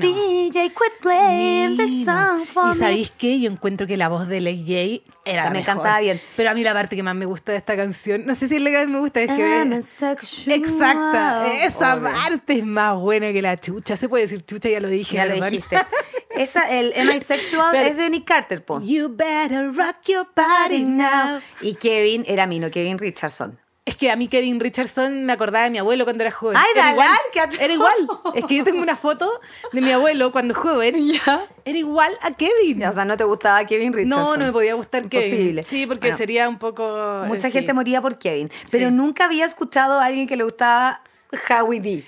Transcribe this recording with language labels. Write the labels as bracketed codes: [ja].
[en] DJ, quit playing the song for me. [es] ¿Y sabéis qué? Yo encuentro que la voz del AJ era me mejor. Encantaba bien. Pero a mí la parte que más me gusta de esta canción, no sé si es la que más me gusta, es que... Exacta. Esa parte es más buena que la chucha. Se puede decir chucha, ya lo dije. Ya lo dijiste. Esa, el Am I Sexual, pero es de Nick Carter, po. [en] You better rock your body now. [es] Y Kevin, era mío, Kevin Richardson. Es que a mí Kevin Richardson me acordaba de mi abuelo cuando era joven. ¡Ay, era igual! Era igual. Es que yo tengo una foto de mi abuelo cuando joven. ¿Ya? Era igual a Kevin. O sea, ¿no te gustaba Kevin Richardson? No me podía gustar Imposible. Kevin. Sí, porque bueno, sería un poco... Mucha gente moría por Kevin. Pero nunca había escuchado a alguien que le gustaba Howie D.